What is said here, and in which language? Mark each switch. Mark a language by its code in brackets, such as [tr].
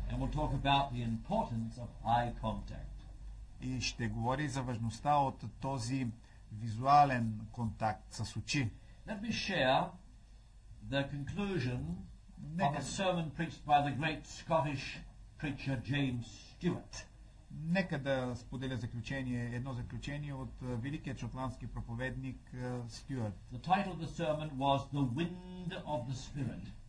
[en] And we'll talk about the importance of eye contact. [bg] И ще говори за важността от този визуален контакт с очи. [en] Let me share the conclusion of a sermon preached by the great Scottish preacher James Stewart. [bg] Нека да споделя заключение, едно заключение от великият шотландски проповедник Стюарт. [en] The title of the sermon was The Wind of the Spirit.